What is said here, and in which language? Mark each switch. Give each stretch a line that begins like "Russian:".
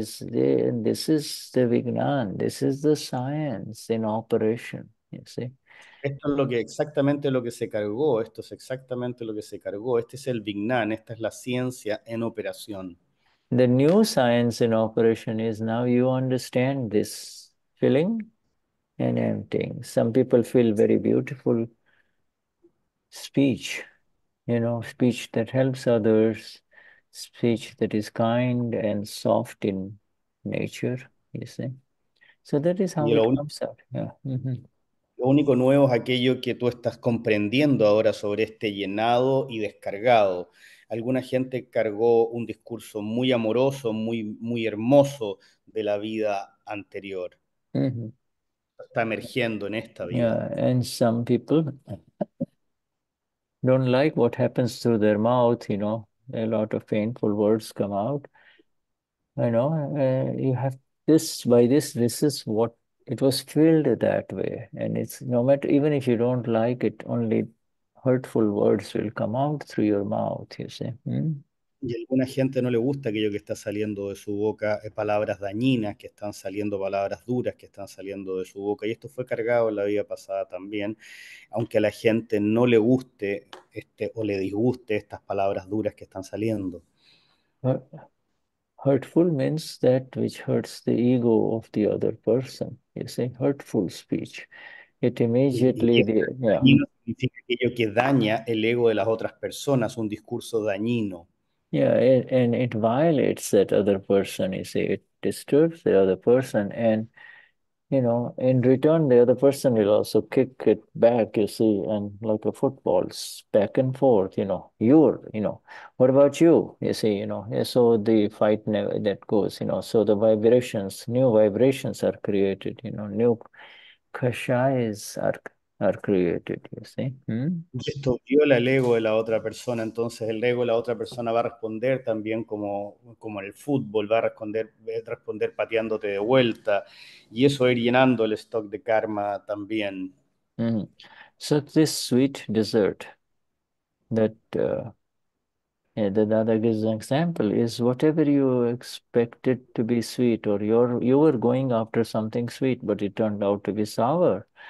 English: There is this is the Vignan, this is the science in operation, you see.
Spanish: Esto es lo que exactamente lo que se cargó, esto es exactamente lo que se cargó, este es el Vignan, esta es la ciencia en operación.
English: The new science in operation is now you understand this filling and emptying. Some people feel very beautiful. Speech, speech that helps others, speech that is kind and soft in nature, you see. So that is how
Spanish: Y
English: it
Spanish: lo único
English: comes out.
Spanish: Nuevo es aquello que tú estás comprendiendo ahora sobre este llenado y descargado. Alguna gente cargó un discurso muy amoroso, muy muy hermoso de la vida anterior. Está emergiendo en esta vida.
English: And some people don't like what happens through their mouth, a lot of painful words come out. You have this by this, this is what it was filled that way. And it's no matter, even if you don't like it, only hurtful words will come out through your mouth, you see.
Spanish: Y a alguna gente no le gusta aquello que está saliendo de su boca, palabras dañinas que están saliendo, palabras duras que están saliendo de su boca. Y esto fue cargado en la vida pasada también. Aunque a la gente no le guste o le disguste estas palabras duras que están saliendo.
English: Hurtful means that which hurts the ego of the other person. You say hurtful speech. It immediately
Spanish: Dañino significa aquello que daña el ego de las otras personas, un discurso dañino.
English: and it violates that other person. You say it disturbs the other person, and in return the other person will also kick it back. You see, and like a football's back and forth. What about you? You see, so the fight never that goes. So the vibrations, new vibrations are created. New kashayas are created. You see.
Spanish: Esto viola el ego de la otra persona, entonces el ego de la otra persona va a responder también como en el fútbol, va a responder pateándote de vuelta y eso va a ir llenando el stock de karma también.
English: So this sweet dessert that the Dada gives an example is whatever you expected to be sweet, or you were going after something sweet, but it turned out to be sour.